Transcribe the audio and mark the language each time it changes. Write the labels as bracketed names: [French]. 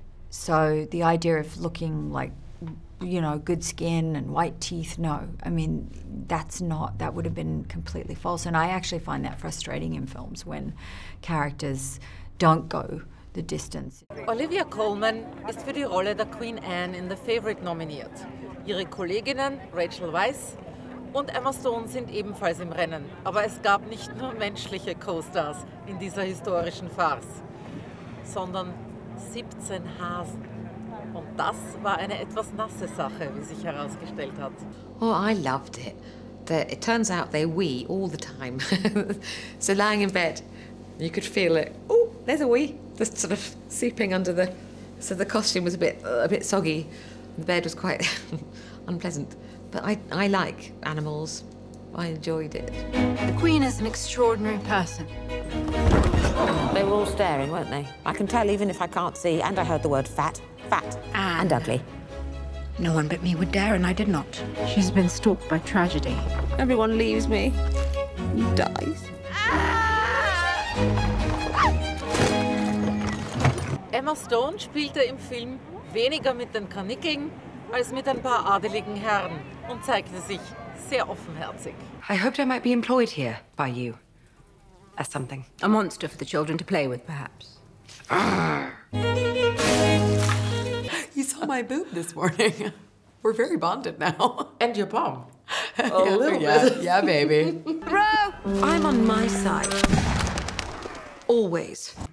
[English] So the idea of looking like, you know, good skin and white teeth, no. I mean, that's not, that would have been completely false. And I actually find that frustrating in films when characters don't go the distance. [German] Olivia Colman ist für die Rolle der Queen Anne in The Favourite nominiert. Ihre Kolleginnen Rachel Weisz und Emma Stone sind ebenfalls im Rennen. Aber es gab nicht nur menschliche Co-Stars in dieser historischen Farce, sondern 17 Hasen. Und das war eine etwas nasse Sache, wie sich herausgestellt hat. [English] Oh, I loved it. The, it turns out they wee all the time. So lying in bed, you could feel it. Oh, there's a wee. Just sort of seeping under the, so the costume was a bit soggy. The bed was quite unpleasant. But I like animals. I enjoyed it. The Queen is an extraordinary person. They were all staring, weren't they? I can tell even if I can't see. And I heard the word fat, fat, and ugly. No one but me would dare, and I did not. She's been stalked by tragedy. Everyone leaves me. He dies. [German] Emma Stone spielte im Film weniger mit den Karnickeln als mit ein paar adeligen Herren und zeigte sich sehr offenherzig. [English] I hoped I might be employed here by you as something. A monster for the children to play with, perhaps. You saw my boob this morning. We're very bonded now. And your bum. A yeah, little yeah, bit. Yeah, baby. Bro, I'm on my side. Always.